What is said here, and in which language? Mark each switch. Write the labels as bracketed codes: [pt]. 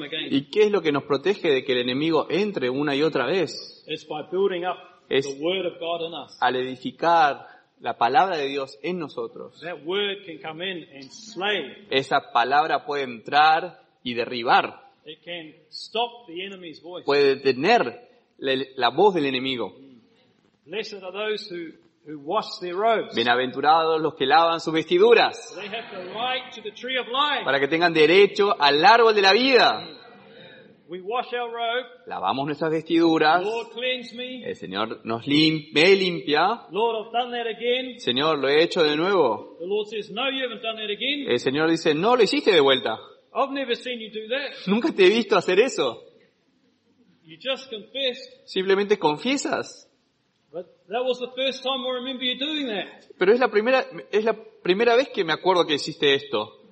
[es] ¿Y qué es lo que nos protege de que el enemigo entre una y otra vez? [en] Es by building up. [es] Es al edificar la palabra de Dios en nosotros. [en] That word can come in and slay. [es] Esa palabra puede entrar y derribar. [en] It can stop the enemy's voice. [es] Puede detener la voz del enemigo. [en] Blessed are those who wash their robes. [es] Bienaventurados los que lavan sus vestiduras. [en] They have the right to the tree of life. [es] Para que tengan derecho al árbol de la vida. [en] We wash our robe. [es] Lavamos nuestras vestiduras. [en] Lord, cleanse me. [es] El Señor me limpia. [en] Lord, I've done that again. [es] Señor, lo he hecho de nuevo. [en] The Lord says, no, you haven't done that again. [es] El Señor dice, no, lo hiciste de vuelta. [en] I've never seen you do that. [es] Nunca te he visto hacer eso. [en] You just confess. [es] Simplemente confiesas. [en] But that was the first time I remember you doing that. [es] Pero es la primera vez que me acuerdo que hiciste esto.